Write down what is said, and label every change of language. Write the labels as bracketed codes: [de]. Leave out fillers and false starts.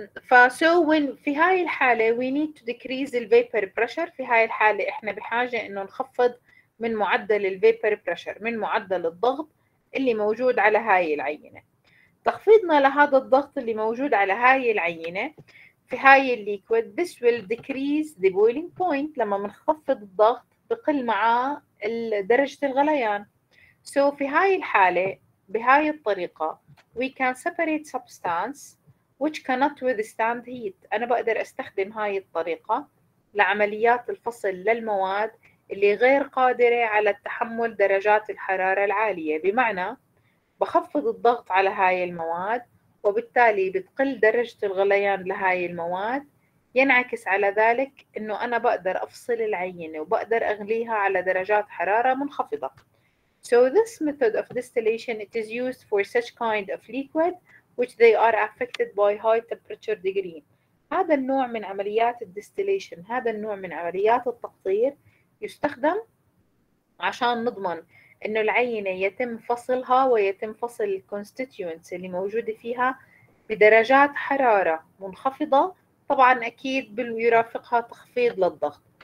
[en] So when [ar] في هاي الحالة [en] we need to decrease the vapor pressure، [ar] في هاي الحالة احنا بحاجة انه نخفض من معدل الـ vapor pressure، من معدل الضغط اللي موجود على هاي العينة. تخفيضنا لهذا الضغط اللي موجود على هاي العينة في هاي الليكويد، [en] this will decrease the boiling point. [ar] لما منخفض الضغط بقل معاه درجة الغليان. [en] So [ar] في هاي الحالة بهاي الطريقة [en] we can separate substance which cannot withstand heat. [ar] أنا بقدر أستخدم هاي الطريقة لعمليات الفصل للمواد اللي غير قادرة على التحمل درجات الحرارة العالية، بمعنى بخفض الضغط على هاي المواد وبالتالي بتقل درجة الغليان لهاي المواد، ينعكس على ذلك انه انا بقدر افصل العينة وبقدر اغليها على درجات حرارة منخفضة. [en] So this method of distillation it is used for such kind of liquid which they are affected by high temperature degree. [ar] هذا النوع من عمليات الديستيليشن، هذا النوع من عمليات التقطير يستخدم عشان نضمن انه العينة يتم فصلها ويتم فصل الكونستيتيونتس اللي موجودة فيها بدرجات حرارة منخفضة، طبعا اكيد بيرافقها تخفيض للضغط.